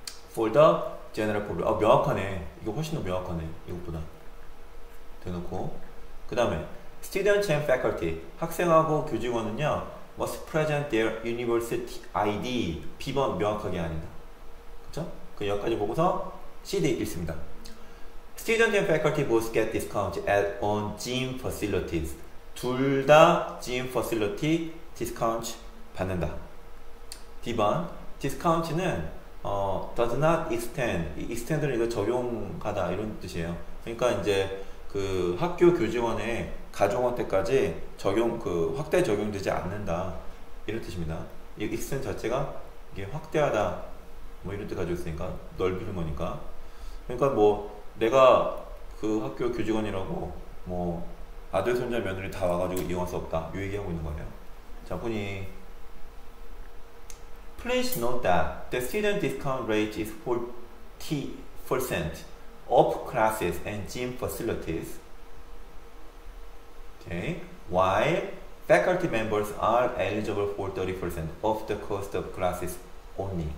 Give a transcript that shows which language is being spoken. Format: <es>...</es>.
<en>For the general public.</en> <ko>아, 명확하네. 이거 훨씬 더 명확하네. 이것보다. 대놓고. 그 다음에</ko> <en>students and faculty.</en> <ko>학생하고 교직원은요,</ko> <en>must present their university ID.</en> <ko>B번 명확하게 아니다. 그쵸? 그 여기까지 보고서 CD 읽습니다.</ko> <en>Student and faculty both get discount at on gym facilities.</en> <ko>둘다</ko> <en>gym facility discount</en> <ko>받는다. D번, discount는</ko> <en>does not extend.</en> <ko>extend는 이거 적용하다 이런 뜻이에요. 그러니까 이제 그 학교 교직원의 가족한테까지 적용, 그 확대 적용되지 않는다 이런 뜻입니다. 이 extend 자체가 이게 확대하다 뭐 이런 뜻 가지고 있으니까 넓히는 거니까. 그러니까 뭐 내가 그 학교 교직원이라고 뭐 아들 손자 며느리 다 와가지고 이용할 수 없다 요 얘기하고 있는 거예요. 자, 보니</ko> <en>Please note that the student discount rate is 40% of classes and gym facilities. Okay. While faculty members are eligible for 30% of the cost of classes only.</en>